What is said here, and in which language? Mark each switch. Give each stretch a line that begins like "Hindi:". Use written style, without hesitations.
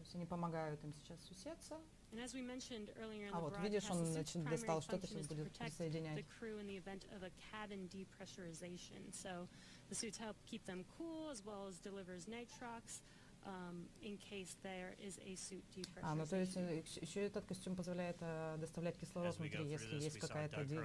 Russian: есть они помогают им сейчас усеться.
English: And as we mentioned earlier in the
Russian: broadcast, видишь, он, значит, достал что-то, сейчас будет присоединять.
English: The crew in the event of a cabin depressurization. So the suits help keep them cool, as well as delivers nitrox in case there is a suit depressurization.
Russian: А, ну то есть еще этот костюм позволяет доставлять кислород внутри, если есть какая-то